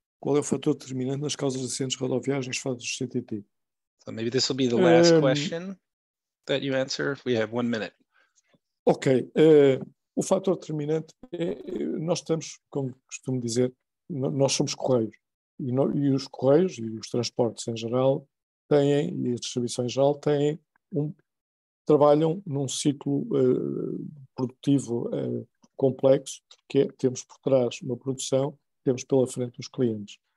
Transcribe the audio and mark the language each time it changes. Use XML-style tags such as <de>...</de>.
<pt>Qual é o fator determinante nas causas de acidentes rodoviários nas fases do CTT?</pt> <en>So maybe this will be the last question that you answer. We have 1 minute. Ok.</en> <pt>O fator determinante é, nós estamos, como costumo dizer, nós somos correios. E os correios e os transportes em geral têm, e a distribuição em geral, têm trabalham num ciclo produtivo complexo, que é, temos por trás uma produção, temos pela frente os clientes.</pt>